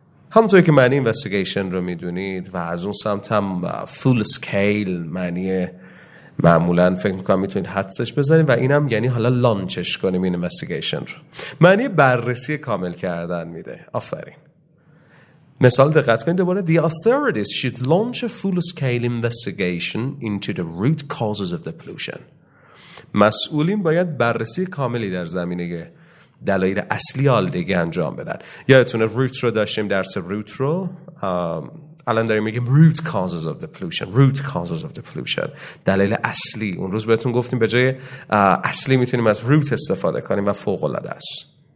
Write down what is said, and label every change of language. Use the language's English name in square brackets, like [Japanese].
[Persian] همونطوری که معنی investigation رو میدونید و از اون سمت هم full-scale معنی معمولا فکر میکنم میتونید حدسش بزنید و اینم یعنی حالا launchش کنیم این investigation رو. معنی بررسی کامل کردن میده. آفرین. مثال دقت کنید دوباره. [English] The authorities should launch a full-scale investigation into the root causes of the pollution. [Persian] مسئولین باید بررسی کاملی در زمینه دلایل اصلی آلودگی انجام بدن. یادتونه روت رو داشتیم، درس روت رو. الان داریم میگیم [English] root causes of the pollution. [Persian] دلایل اصلی. اون روز بهتون گفتیم به جای اصلی میتونیم از روت استفاده کنیم و فوق العاده است.